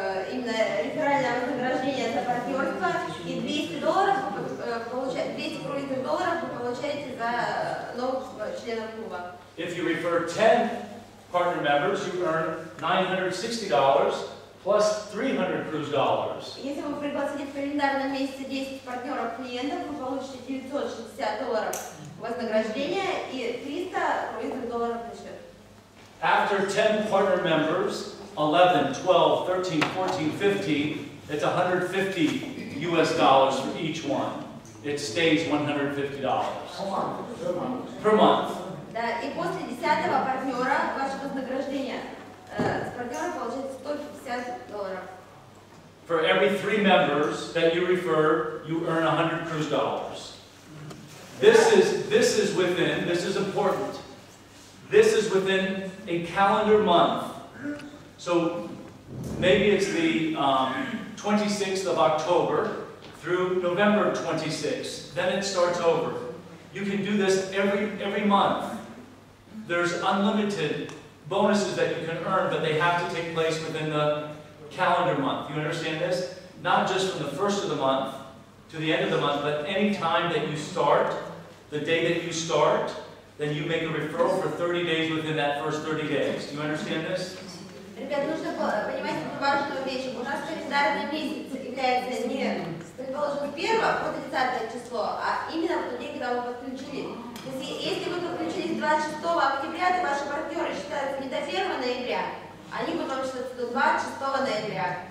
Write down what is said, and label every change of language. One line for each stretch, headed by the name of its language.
Russian: именно реферальное вознаграждение за партнерство, и $200 получаете, 200 круизных долларов вы получаете за новых членов клуба.
English: If you refer 10 partner members, you earn $960 plus 300 cruise dollars.
Russian: Если вы пригласите в календарном месяце 10 партнеров клиентов, вы получите $960 вознаграждения и $300 на счет.
English: After 10 partner members, 11, 12, 13, 14, 15, it's $150 for each one. It stays $150. Per month.
Russian: Да, и после 10-го партнера ваше вознаграждение с партнера получается $150.
English: For every 3 members that you refer, you earn $100 cruise dollars. This is important. This is within a calendar month. So maybe it's the 26th of October through November 26th. Then it starts over. You can do this every month. There's unlimited bonuses that you can earn, but they have to take place within the calendar month. You understand this? Not just from the first of the month to the end of the month, but any time that you start, the day that you start, then you make a referral for 30 days within that first 30 days. Do you understand this?
Russian: Ребят, нужно понимать эту важную вещь. У нас календарный месяц является не, предположим, первое по 30 число, а именно в тот день, когда вы подключились. То есть, если вы подключились 26 октября, то ваши партнеры считаются не до 1 ноября, они будут вам считаться до 26 ноября.